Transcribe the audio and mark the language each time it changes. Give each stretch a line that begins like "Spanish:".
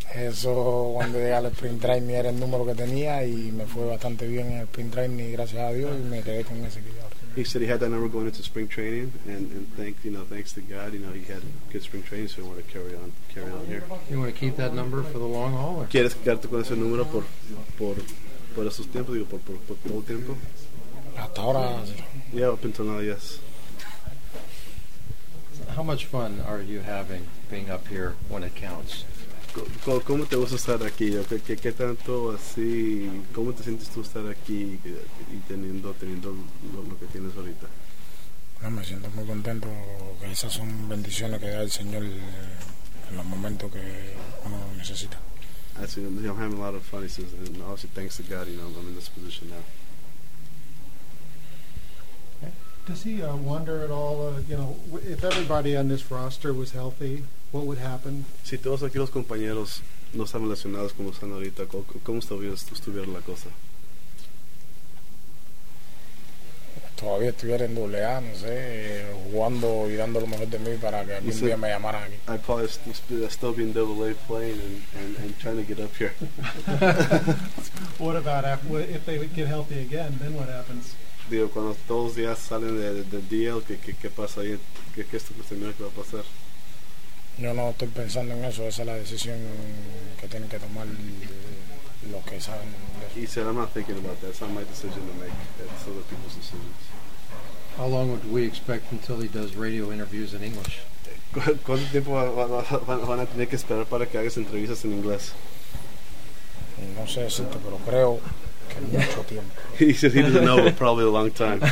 Spanish: Eso, cuando llegué al sprint drive, era el número que tenía y me fue bastante bien en el sprint drive, gracias a Dios, y me quedé con ese que ahora.
English: He said he had that number going into spring training, and thank you know thanks to God you know he had good spring training, so he wanted to carry on here. You want to keep that number for the long haul?
Spanish: ¿Quieres quedarte con ese número por esos tiempos, digo, por todo tiempo? Hasta ahora.
English: Yeah, up until now, yes. How much fun are you having being up here when it counts?
Spanish: ¿Cómo te gusta estar aquí? ¿Qué tanto así? ¿Cómo te sientes tú estar aquí y teniendo lo que tienes ahorita? No, me siento muy contento. Esas son bendiciones que da el Señor en los momentos que uno necesita.
English: Así, you know, I'm having a lot of fun. He says, and obviously, thanks to God, you know, I'm in this position now. Does he wonder at all, you know, if everybody on this roster was healthy, what would happen?
Spanish: Si todos aquí los compañeros no están lesionados como están ahorita, ¿cómo estuviera la cosa? Todavía estuviera en doble A, no sé, jugando y dando lo mejor de mí para que algún día me llamaran aquí.
English: I'd probably still be in double A playing and trying to get up here. What about if they would get healthy again, then what happens?
Spanish: Digo, cuando todos ya salen de DL, ¿qué pasa ahí? ¿Qué es lo primero que va a pasar? Yo no estoy pensando en eso, esa es la decisión que tienen que tomar los que saben.
English: He said, I'm not thinking about that, it's not my decision to make, it's other people's decisions. How long would we expect until he does radio interviews in English?
Spanish: ¿Cuánto tiempo van a tener que esperar para que hagas entrevistas en inglés? No sé decirte, pero creo que mucho tiempo.
English: He said he doesn't know, but probably a long time.